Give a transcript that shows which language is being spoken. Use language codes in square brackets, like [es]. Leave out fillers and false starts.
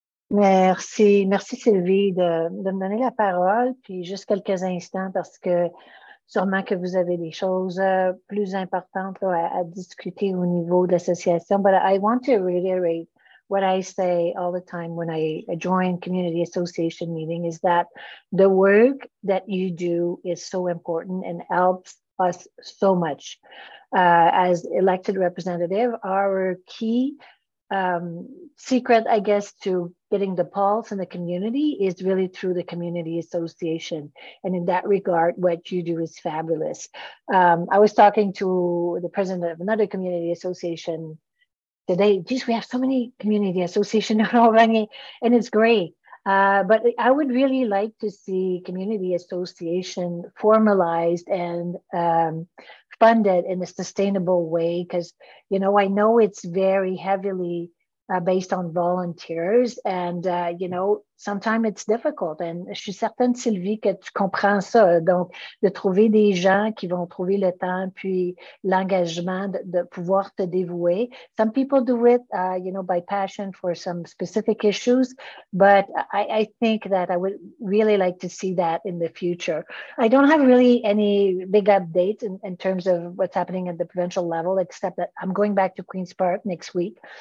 [fr] Merci Sylvie de me donner la parole, puis juste quelques instants parce que sûrement que vous avez des choses plus importantes à discuter au niveau de l'association. [en] But I want to reiterate what I say all the time when I join community association meeting is that the work that you do is so important and helps us so much. As elected representative, our key secret, I guess, to getting the pulse in the community is really through the community association. And in that regard, what you do is fabulous. I was talking to the president of another community association today. Geez, we have so many community associations in Oranje, and it's great. But I would really like to see community association formalized and funded in a sustainable way, because, you know, I know it's very heavily based on volunteers, and you know, sometimes it's difficult. [fr] And je suis certaine, Sylvie, que tu comprends ça. Donc, de trouver des gens qui vont trouver le temps puis l'engagement de pouvoir te dévouer. [en] Some people do it, you know, by passion for some specific issues, but I think that I would really like to see that in the future. I don't have really any big updates in terms of what's happening at the provincial level, except that I'm going back to Queen's Park next week.